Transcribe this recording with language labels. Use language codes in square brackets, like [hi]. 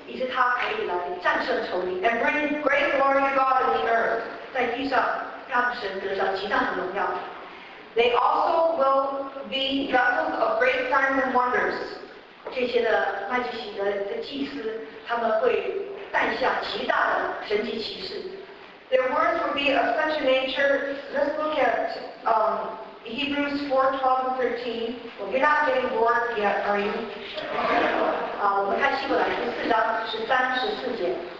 [zh] 以致他可以来战胜仇敌 [en] ，and bring great glory to God in the earth， [zh] 在地上让神得到极大的荣耀。 [en] They also will be vessels of great signs and wonders。 [zh] 这些的麦基洗德的祭司，他们会带下极大的神迹奇事。 [en] Their words will be of such a nature. Let's look at Hebrews 4:12-13. We're not getting bored yet, are you? [zh] 我们看希伯来书4:13-14.